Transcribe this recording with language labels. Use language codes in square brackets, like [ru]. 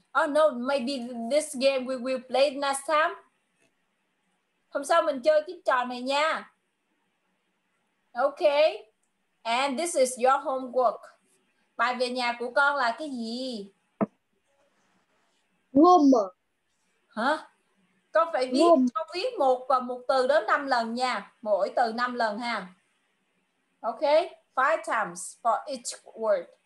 [en] Oh no, maybe this game we will play next time. [vi] Hôm sau mình chơi cái trò này nha. Okay. [en] And this is your homework. [vi] Bài về nhà của con là cái gì? [en] Homework. Hả? [vi] Con phải viết, con viết một và một từ đến 5 lần nha. Mỗi từ 5 lần ha. Ok. [en] 5 times for each word.